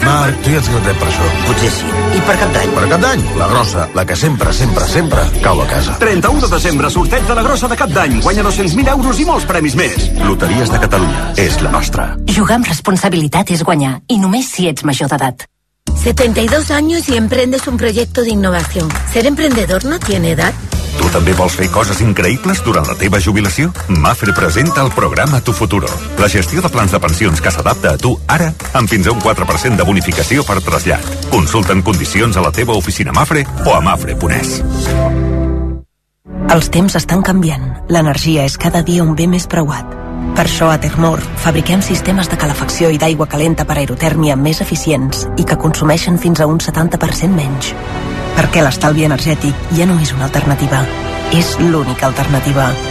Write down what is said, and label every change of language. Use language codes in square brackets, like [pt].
[ca] Marc, tu ja ets gratet per això. Potser sí. I per Cap d'Any. Per Cap d'Any. La grossa, la que sempre, sempre, sempre cau a casa. 31 de desembre, sorteig de la grossa de Cap d'Any. Guanya 200.000 euros i molts premis més. Loteries de Catalunya. És la nostra. Jugar amb responsabilitat és guanyar. I només si ets major d'edat. [es] 72 años y emprendes un proyecto de innovación. Ser emprendedor no tiene edad. [ca] Tu també vols fer coses increïbles durant la teva jubilació? Mafre presenta el programa Tu Futuro. La gestió de plans de pensions que s'adapta a tu ara amb fins a un 4% de bonificació per trasllat. Consulta en condicions a la teva oficina Mafre o a mafre.es. Els temps estan canviant. L'energia és cada dia un bé més preuat. Per això a Termor fabriquem sistemes de calefacció i d'aigua calenta per aerotèrmia més eficients i que consumeixen fins a un 70% menys. Perquè l'estalvi energètic ja no és una alternativa, és l'única alternativa.